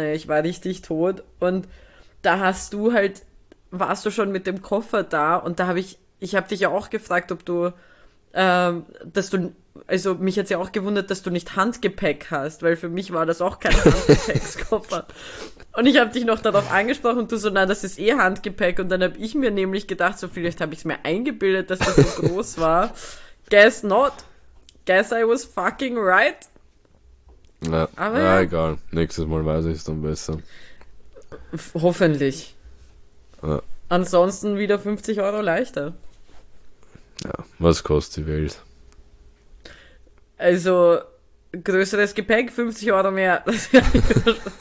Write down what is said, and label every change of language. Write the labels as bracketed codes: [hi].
[de] Ich war richtig tot und da hast du halt, warst du schon mit dem Koffer da und da habe ich habe dich ja auch gefragt, ob du, also mich hat's ja auch gewundert, dass du nicht Handgepäck hast, weil für mich war das auch kein Handgepäckskoffer. Und ich habe dich noch darauf angesprochen und du so, na, das ist eh Handgepäck und dann habe ich mir nämlich gedacht, so vielleicht habe ich es mir eingebildet, dass das so groß war. [en] Guess not. Guess I was fucking right. [de] Aber Na, ja. egal. Nächstes Mal weiß ich es dann besser. Hoffentlich. Ja. Ansonsten wieder 50 € leichter. Was kostet die Welt? Also, größeres Gepäck, 50 € mehr. Das ist ja schon.